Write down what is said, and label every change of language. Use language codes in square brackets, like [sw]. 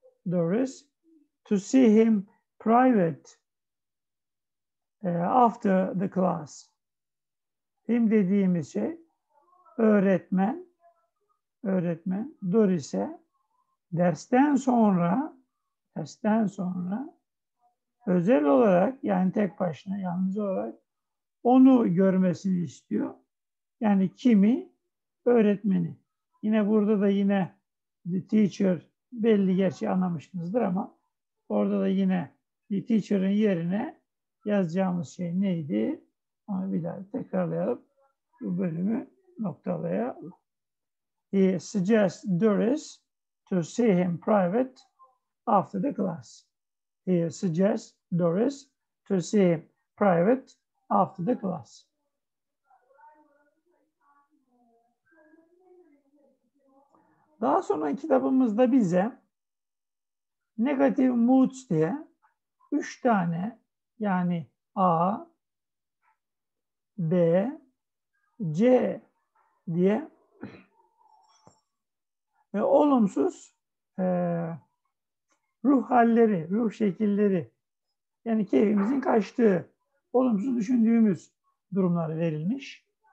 [en] Doris to see him private after the class. [tr] Him dediğimiz şey öğretmen. Öğretmen Doris'e dersten sonra özel olarak, yani tek başına, yalnız olarak onu görmesini istiyor. Yani kimi? Öğretmeni. Yine burada da yine [en] the teacher, [tr] belli gerçeği anlamışsınızdır ama orada da yine the teacher'ın yerine yazacağımız şey neydi? Onu bir daha tekrarlayalım. Bu bölümü noktalayalım. [en] He suggests Doris to see him private after the class. He suggests Doris to see him private after the class. [tr] Daha sonra kitabımızda bize [en] negative moods [tr] diye 3 tane, yani A, B, C diye olumsuz ruh halleri, ruh şekilleri, yani keyfimizin kaçtığı, olumsuz düşündüğümüz durumlar verilmiş.